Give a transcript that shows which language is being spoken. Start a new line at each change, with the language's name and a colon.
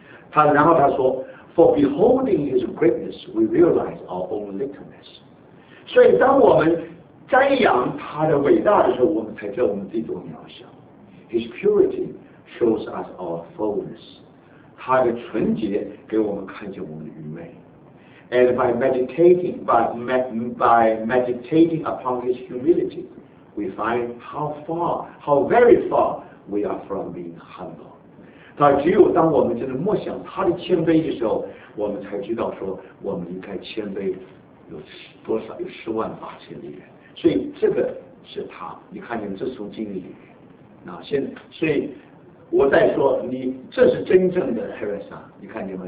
Chinese: 他然后他说
English: For beholding his greatness we realize our own littleness。
Chinese: 所以当我们瞻仰他的伟大的时候，我们才知道我们自己多渺小。
English: His purity shows us our fullness。
Chinese: 他的纯洁给我们看见我们的愚昧。
English: And by meditating upon his humility we find how very far we are from being humble。
Chinese: 但只有当我们真的默想他的谦卑的时候，我们才知道说我们应该谦卑有多少，有十万八千里人。所以这个是他，你看见这是从经历里面。那现在所以我在说你这是真正的 Teresa， 你看见吗？